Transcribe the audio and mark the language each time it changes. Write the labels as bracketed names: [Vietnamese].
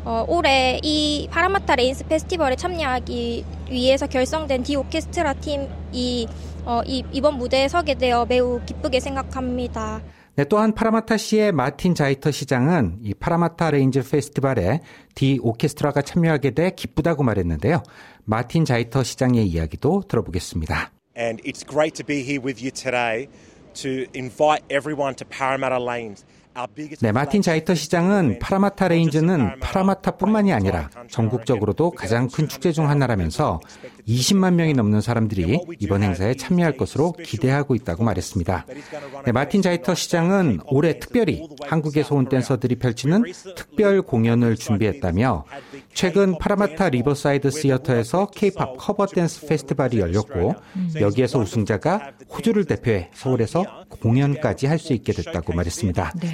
[Korean] 올해 이 파라마타 레인스 페스티벌에 참여하기 위해서 결성된 디오케스트라 팀이 이번 무대에 서게 되어 매우 기쁘게 생각합니다. 네, 또한 파라마타 시의 마틴 자이터 시장은 이 파라마타 레인즈 페스티벌에 디오케스트라가 참여하게 돼 기쁘다고 말했는데요. 마틴 자이터 시장의 이야기도 들어보겠습니다. [English] And it's great to be here with you today to invite everyone to Parramatta Lanes. [Korean] 네, 마틴 자이터 시장은 파라마타 레인즈는 파라마타뿐만이 아니라 전국적으로도 가장 큰 축제 중 하나라면서 20만 명이 넘는 사람들이 이번 행사에 참여할 것으로 기대하고 있다고 말했습니다. 네, 마틴 자이터 시장은 올해 특별히 한국에서 온 댄서들이 펼치는 특별 공연을 준비했다며 최근 파라마타 리버사이드 시어터에서 K-POP 커버 댄스 페스티벌이 열렸고 여기에서 우승자가 호주를 대표해 서울에서 공연까지 할 수 있게 됐다고 말했습니다.